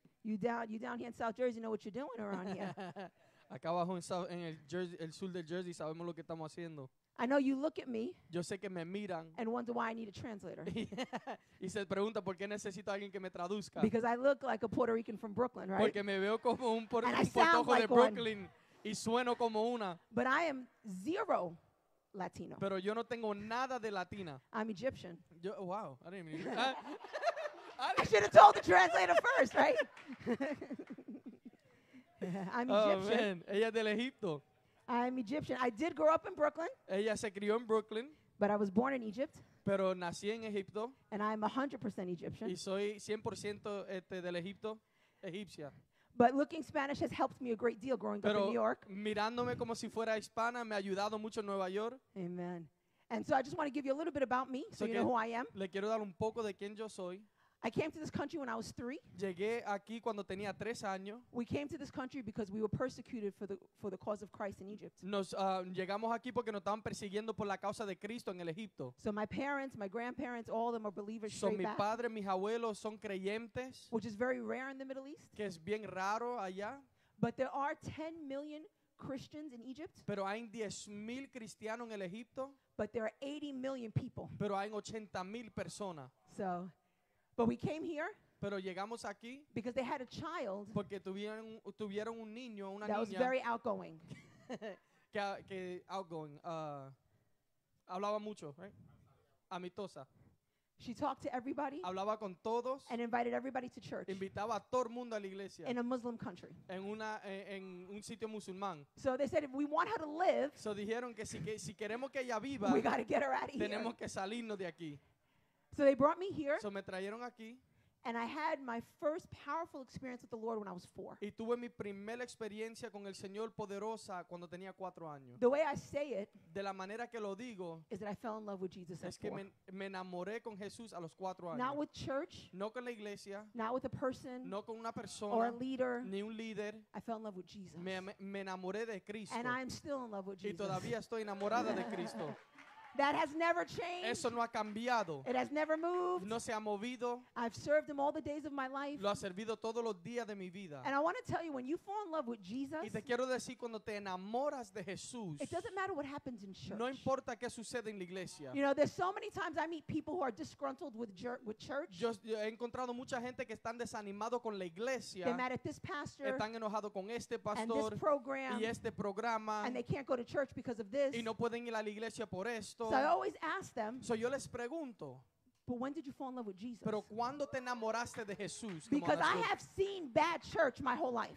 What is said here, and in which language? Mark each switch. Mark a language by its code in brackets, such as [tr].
[en] You down here in South Jersey know what you're doing around here. [es] Acá abajo en el Jersey, el sur del Jersey, sabemos lo que estamos haciendo. [en] I know you look at me. [es] Yo sé que me miran. [en] And wonder why I need a translator. [es] Y se pregunta por qué necesito alguien que me traduzca. [en] Because I look like a Puerto Rican from Brooklyn, right? [es] Porque me veo como un puertorriqueño de Brooklyn y sueno como una. [en] But I am zero Latino. [es] Pero yo no tengo nada de latina. [en] I'm Egyptian. Yo, wow, I didn't mean. I should have told the translator first, right? I'm Egyptian. Oh, man. [es] Ella es del Egipto. [en] I'm Egyptian. I did grow up in Brooklyn. [es] Ella se crió en Brooklyn. [en] But I was born in Egypt. [es] Pero nací en Egipto. [en] And I'm 100% Egyptian. [es] Y soy 100% del Egipto, egipcia. [en] But looking Spanish has helped me a great deal growing [es] Pero [en] up in New York. [es] Mirándome como si fuera hispana me ha ayudado mucho en Nueva York. [en] Amen. And so I just want to give you a little bit about me so you know who I am. [es] Le quiero dar un poco de quién yo soy. [en] I came to this country when I was 3. [es] Llegué aquí cuando tenía 3 años. [en] We came to this country because we were persecuted for the cause of Christ in Egypt. [es] Llegamos aquí porque nos estaban persiguiendo por la causa de Cristo en el Egipto. [en] So my parents, my grandparents, all of them are believers. [es] So mi padre, mis abuelos son creyentes. [en] Which is very rare in the Middle East. [es] Que es bien raro allá. [en] But there are 10 million Christians in Egypt. [es] Pero hay 10,000 cristianos en el Egipto. [en] But there are 80 million people. [es] Pero hay 80,000 personas. [en] So. But we came here [es] Pero llegamos aquí [en] because they had a child [es] porque tuvieron un niño, una [en] that [es] niña [en] was very outgoing. [es] que [en] outgoing. [es] Hablaba mucho, right? Amistosa. [en] She talked to everybody [es] hablaba con todos [en] and invited everybody to church [es] invitaba a todo mundo a la iglesia [en] in a Muslim country. [es] En un sitio musulmán. [en] So they said, if we want her to live, [es] so dijeron que si queremos que ella viva, [en] we got to get her out of here. [es] Tenemos que salirnos de aquí. [en] So they brought me here. [es] So me trajeron aquí. [en] And I had my first powerful experience with the Lord when I was 4. [es] Y tuve mi primera experiencia con el Señor poderosa cuando tenía 4 años. [en] The way I say it, [es] de la manera que lo digo, [en] is that I fell in love with Jesus at 4. [es] Es que me enamoré con Jesús a los 4 años. [en] Not with church. [es] No con la iglesia. [en] Not with a person. [es] No con una persona. [en] Or a leader. [es] Ni un líder. [en] I fell in love with Jesus. [es] Me enamoré de Cristo. [en] And I'm still in love with Jesus. [es] Y todavía estoy enamorada de Cristo. [en] That has never changed. [es] Eso no ha cambiado. [en] It has never moved. [es] No se ha movido. [en] I've served him all the days of my life. [es] Lo ha servido todos los días de mi vida. [en] And I want to tell you, when you fall in love with Jesus, [es] y te quiero decir, cuando te enamoras de Jesús, [en] it doesn't matter what happens in church. [es] No importa qué sucede en la iglesia. [en] You know, there's so many times I meet people who are disgruntled with church. [es] Yo he encontrado mucha gente que están desanimado con la iglesia. [en] They're mad at this pastor. [es] Están enojado con este pastor. [en] And this program. [es] Y este programa. [en] And they can't go to church because of this. [es] Y no pueden ir a la iglesia por esto. [en] So I always ask them. [es] So yo les pregunto. [en] But when did you fall in love with Jesus? [es] Pero ¿cuándo te enamoraste de Jesús? [en] Because I have seen bad church my whole life.